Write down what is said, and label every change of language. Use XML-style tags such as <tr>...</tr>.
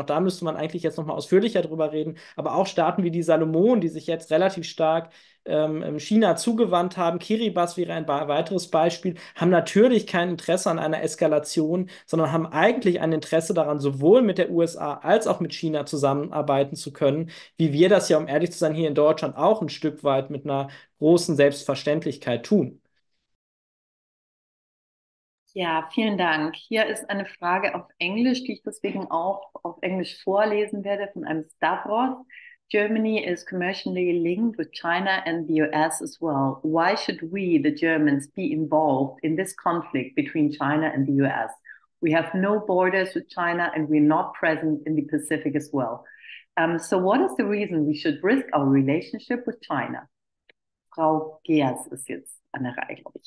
<de>Auch da müsste man eigentlich jetzt nochmal ausführlicher drüber reden. Aber auch Staaten wie die Salomonen, die sich jetzt relativ stark China zugewandt haben, Kiribati wäre ein weiteres Beispiel, haben natürlich kein Interesse an einer Eskalation, sondern haben eigentlich ein Interesse daran, sowohl mit der USA als auch mit China zusammenarbeiten zu können, wie wir das ja, um ehrlich zu sein, hier in Deutschland auch ein Stück weit mit einer großen Selbstverständlichkeit tun. Ja, vielen Dank. Hier ist eine Frage auf Englisch, die ich deswegen auch auf Englisch vorlesen werde von einem Stavros.</de> <en>Germany is commercially linked with China and the US as well. Why should we, the Germans, be involved in this conflict between China and the US? We have no borders with China and we're not present in the Pacific as well. So what is the reason we should risk our relationship with China?</en> <de>Frau Geers ist jetzt an der Reihe, glaube ich.</de>